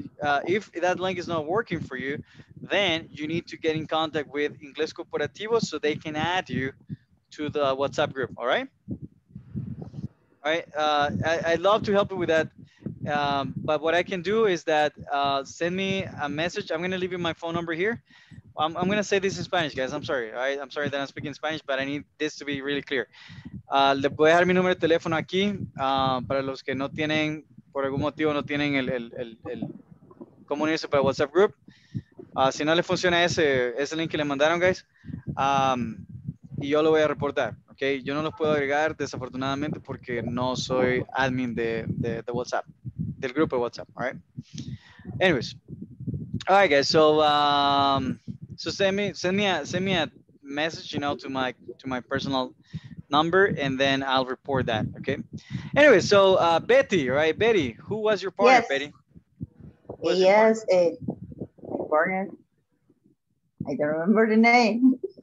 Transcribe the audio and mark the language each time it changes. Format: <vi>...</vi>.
<en>If that link is not working for you, then you need to get in contact with Inglés Corporativo so they can add you to the WhatsApp group, all right? All right, I'd love to help you with that. But what I can do is that send me a message. I'm gonna leave you my phone number here. I'm gonna say this in Spanish, guys. I'm sorry, all right? I'm sorry that I'm speaking Spanish, but I need this to be really clear.</en> <es>Le voy a dejar mi número de teléfono aquí para los que no tienen, por algún motivo no tienen el cómo unirse para el WhatsApp group. Si no le funciona ese link que le mandaron, guys, y yo lo voy a reportar, ¿ok? Yo no los puedo agregar desafortunadamente porque no soy admin de WhatsApp, del grupo de WhatsApp,</es> <en>all right? Anyways, all right, guys, so, send me a message, you know, to my personal number, and then I'll report that, okay? Anyway, so Betty, right? Betty, who was your partner, yes. Betty? Was yes, my partner. I don't remember the name.</en>